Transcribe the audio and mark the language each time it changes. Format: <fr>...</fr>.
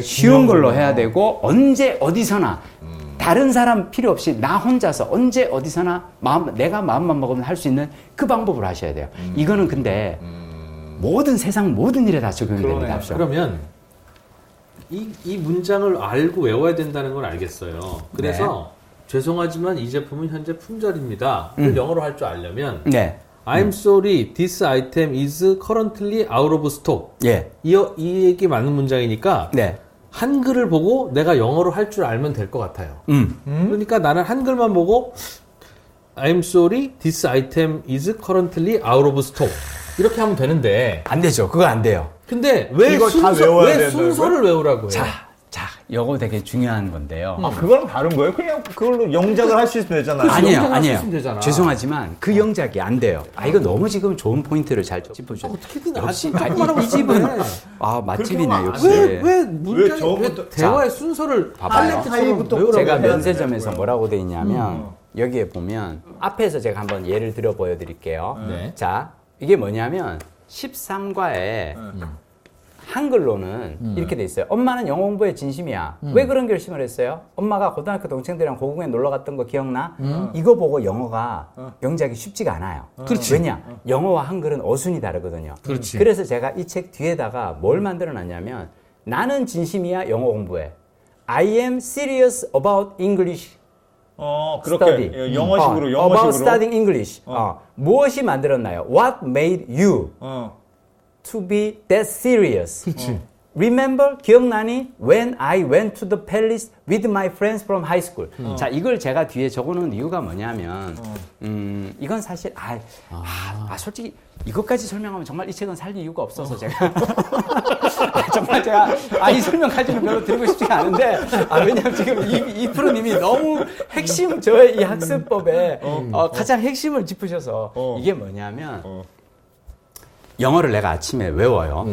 <ko>쉬운 걸로 해야 되고 언제 어디서나 다른 사람 필요 없이 나 혼자서 언제 어디서나 내가 마음만 먹으면 할 수 있는 그 방법을 하셔야 돼요. 이거는 근데 모든 세상 모든 일에 다 적용이 됩니다. 그렇죠. 그러면 이 문장을 알고 외워야 된다는 걸 알겠어요. 그래서 네. 죄송하지만 이 제품은 현재 품절입니다. 영어로 할 줄 알려면 네.</ko> <en>I'm sorry, this item is currently out of stock.</en> <ko>예. 이 얘기 맞는 문장이니까 네. 한글을 보고 내가 영어로 할 줄 알면 될 것 같아요. 그러니까 나는 한글만 보고</ko> <en>I'm sorry, this item is currently out of stock.</en> <ko>이렇게 하면 되는데 안 되죠. 그거 안 돼요. 근데 왜 순서를 외우라고 해요? 자, 이거 되게 중요한 건데요. 아, 그거랑 다른 거예요? 그냥 그걸로 영작을 할 수 있으면 되잖아요. 아니에요, 아니에요. 죄송하지만 그 영작이 안 돼요. 아, 이거 너무 지금 좋은 포인트를 잘 짚어주셨어요. 어떻게든 역시 이 집은 아 맛집이네 역시. 왜 문장 왜 대화의 자, 순서를 봐봐요. 제가 면세점에서 뭐라고 돼 있냐면 여기에 보면 앞에서 제가 한번 예를 들어 보여드릴게요. 네. 자, 이게 뭐냐면 13과에 한글로는 이렇게 돼 있어요. 엄마는 영어 공부에 진심이야. 왜 그런 결심을 했어요? 엄마가 고등학교 동창들이랑 고궁에 놀러 갔던 거 기억나? 이거 보고 영어가 영작이 쉽지가 않아요. 그렇지. 왜냐? 영어와 한글은 어순이 다르거든요. 그렇지. 그래서 제가 이 책 뒤에다가 뭘 만들어놨냐면 나는 진심이야 영어 공부에.</ko> <en>I am serious about English.</en> <ko>그렇게 study. 영어식으로</ko> <en>About studying English. 무엇이 만들었나요? What made you? To be that serious.</en> <ko>그치.</ko> <en>Remember,</en> <ko>기억나니?</ko> <en>When I went to the palace with my friends from high school.</en> <ko>자, 이걸 제가 뒤에 적어놓은 이유가 뭐냐면, 이건 사실, 솔직히, 이것까지 설명하면 정말 이 책은 살 이유가 없어서 제가. 정말 제가, 이 설명까지는 별로 드리고 싶지 않은데, 왜냐면 지금 이 프로님이 너무 핵심, 저의 이 학습법에 가장 핵심을 짚으셔서, 이게 뭐냐면, 영어를 내가 아침에 외워요.</ko>